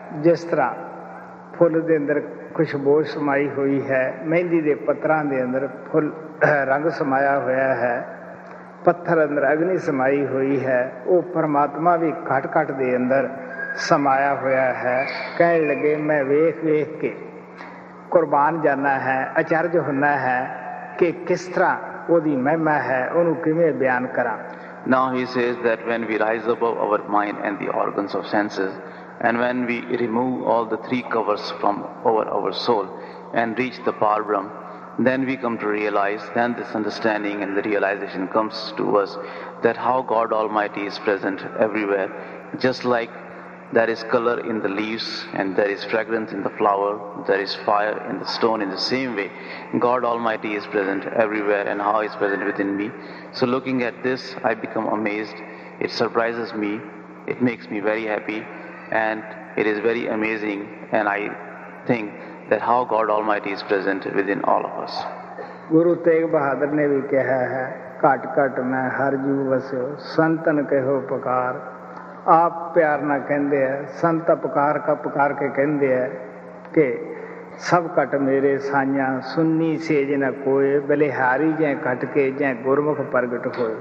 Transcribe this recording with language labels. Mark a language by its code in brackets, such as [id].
[pa] ਜਿਸ ਤਰ੍ਹਾਂ ਫੁੱਲ ਦੇ ਅੰਦਰ ਖੁਸ਼ਬੂ ਸਮਾਈ ਹੋਈ ਹੈ, ਮਹਿੰਦੀ ਦੇ ਪੱਤਰਾਂ ਦੇ ਅੰਦਰ ਫੁੱਲ ਰੰਗ ਸਮਾਇਆ ਹੋਇਆ ਹੈ, ਪੱਥਰ ਅੰਦਰ ਅਗਨੀ ਸਮਾਈ ਹੋਈ ਹੈ, ਉਹ ਪਰਮਾਤਮਾ ਵੀ ਘੱਟ ਘੱਟ ਦੇ ਅੰਦਰ ਸਮਾਇਆ ਹੋਇਆ ਹੈ। ਕਹਿਣ ਲੱਗੇ, ਮੈਂ ਵੇਖ ਵੇਖ ਕੇ ਕੁਰਬਾਨ ਜਾਂਦਾ ਹੈ, ਅਚਰਜ ਹੁੰਦਾ ਹੈ ਕਿ ਕਿਸ ਤਰ੍ਹਾਂ ਉਹਦੀ ਮਹਿਮਾ ਹੈ, ਉਹਨੂੰ ਕਿਵੇਂ ਬਿਆਨ ਕਰਾਂ। [en] Now he says that when we rise above our mind and the organs of senses, and when we remove all the three covers from over our soul and reach the parabrahm, then we come to realize, then this understanding and the realization comes to us that how God Almighty is present everywhere. Just like there is color in the leaves and there is fragrance in the flower, there is fire in the stone, in the same way God Almighty is present everywhere, and how he is present within me. So looking at this, I become amazed. It surprises me, it makes me very happy, and it is very amazing, and I think that how God Almighty is present within all of us. [pa] Guru Tegh Bahadur ਨੇ ਵੀ ਕਿਹਾ ਹੈ, ਘੱਟ ਘੱਟ ਮੈਂ ਹਰ ਜੂ ਵਸਿਓ, ਸੰਤਨ ਕਹੋ ਪੁਕਾਰ। ਆਪ ਪਿਆਰ ਨਾਲ ਕਹਿੰਦੇ ਹੈ, ਸੰਤ ਪੁਕਾਰ ਕਾ ਪੁਕਾਰ ਕੇ ਕਹਿੰਦੇ ਹੈ ਕਿ ਸਭ ਘੱਟ ਮੇਰੇ ਸਾਈਆਂ, ਸੁੰਨੀ ਸੇਜ ਨਾ ਕੋਏ, ਬਲਿਹਾਰੀ ਜੈ ਘੱਟ ਕੇ ਜੈ ਗੁਰਮੁਖ ਪ੍ਰਗਟ ਹੋਏ।